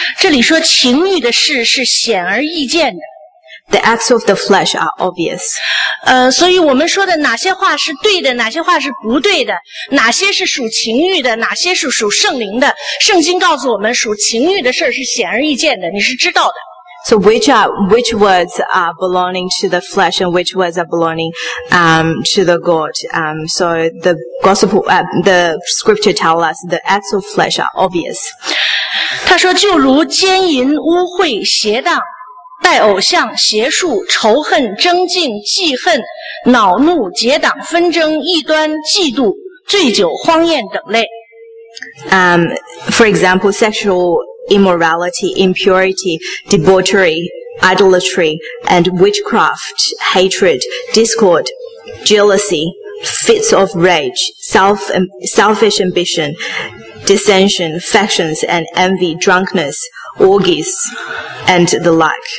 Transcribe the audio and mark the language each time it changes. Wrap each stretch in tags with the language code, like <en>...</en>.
<zh>这里说情欲的事是显而易见的</zh> <en>The acts of the flesh are obvious.</en> <zh>所以我们说的哪些话是对的，哪些话是不对的，哪些是属情欲的，哪些是属圣灵的。圣经告诉我们，属情欲的事是显而易见的，你是知道的。</zh> <en>So which words are belonging to the flesh and which words are belonging, to the God? So the gospel, the scripture tell us the acts of flesh are obvious.</en> <zh>他说，就如奸淫、污秽、邪荡。拜偶像、邪术、仇恨、争竞、记恨、恼怒、结党、纷争、异端、嫉妒、醉酒、荒宴等类。</zh> <en>For example, sexual immorality, impurity, debauchery, idolatry, and witchcraft, hatred, discord, jealousy, fits of rage, selfish ambition, dissension, factions, and envy, drunkenness, orgies, and the like.</en>